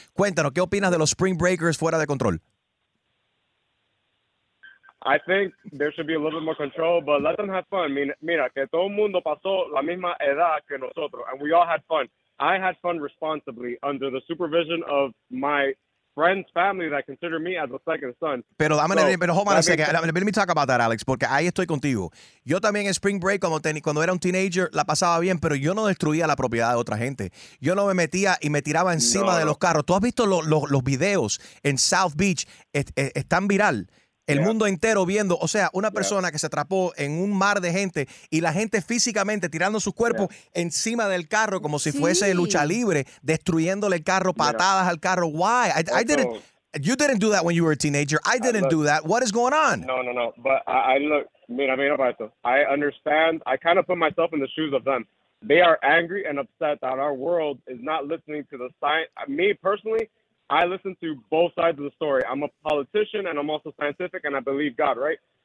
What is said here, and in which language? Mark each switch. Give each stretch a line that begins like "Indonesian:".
Spanish: Cuéntanos, ¿qué opinas de los Spring Breakers fuera de control?
English: I think there should be a little bit more control, but let them have fun.
Spanish: Mira, que todo el mundo pasó la misma edad que nosotros,
English: and we all had fun. I had fun responsibly under the supervision of my friends, family that consider me as a second son.
Spanish: Pero
English: let me talk about that,
Spanish: Alex, porque ahí estoy contigo. Yo también en Spring Break, cuando era un teenager, la pasaba bien, pero yo no destruía la propiedad de otra gente. Yo no me metía y me tiraba encima de los carros. ¿Tú has visto los videos en South Beach? Están viral. El mundo entero viendo, o sea, una persona que se atrapó en un mar de gente y la gente físicamente tirando su cuerpo encima del carro como si fuese lucha libre, destruyéndole el carro, patadas al carro.
English: Why? You didn't do that when you were a teenager. I didn't do that. What is going on? No. But I understand. I kind of put myself in the shoes of them. They are angry and upset that our world is not listening to the science. Me, personally, I listen to both sides of the story. I'm a politician and I'm also scientific and I believe God, right?